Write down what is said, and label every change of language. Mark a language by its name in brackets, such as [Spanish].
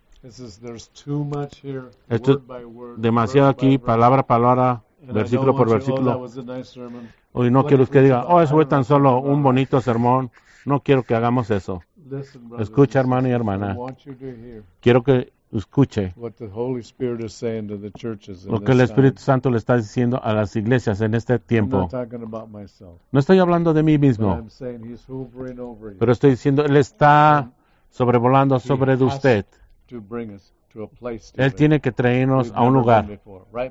[English] This is, there's too much here, [Spanish] esto, [English] word by word. [Spanish] Demasiado aquí, [English] word by [Spanish] palabra by palabra. Versículo por versículo. Hoy no quiero que diga, eso fue tan solo un bonito sermón. No quiero que hagamos eso. Escucha, hermano y hermana. Quiero que escuche [English] what the Holy Spirit is saying to the churches in [Spanish] lo que el Espíritu Santo le está diciendo a las iglesias en este tiempo. [English] I'm not talking about myself, [Spanish] no estoy hablando de mí mismo, [English] but I'm saying he's hovering over you. [Spanish] Pero estoy diciendo, Él está sobrevolando sobre de usted. [English] To bring us to a place to [Spanish] Él tiene que traernos a un lugar [English] right,